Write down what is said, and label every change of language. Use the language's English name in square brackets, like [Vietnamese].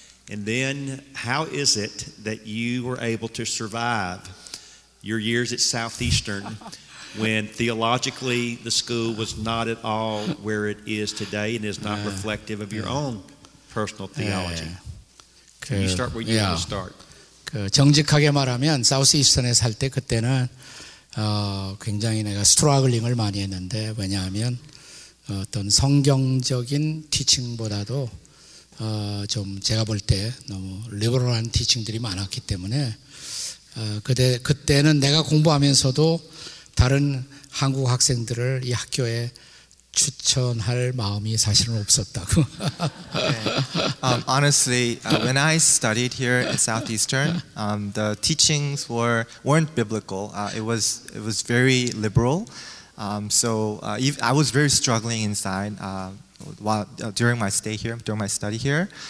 [English] And then how is it that you were able to survive your years at Southeastern when theologically the school was not at all where it is today and is not reflective of your own personal theology. Can you start where you want to start? [Korean] 그 정직하게 말하면 사우스이스턴에 살 때 그때는 굉장히 내가 스트러글링을 많이 했는데 왜냐하면 어떤 성경적인 티칭보다도 좀 제가 볼 때 너무 리버럴한 티칭들이 많았기 때문에 그때는 내가 공부하면서도 다른 한국 학생들을 이 학교에 추천할 마음이 사실은 없었다고. [English] Okay. Honestly, when I studied here at Southeastern, the teachings weren't biblical. It was very liberal. I was very struggling inside during my study here.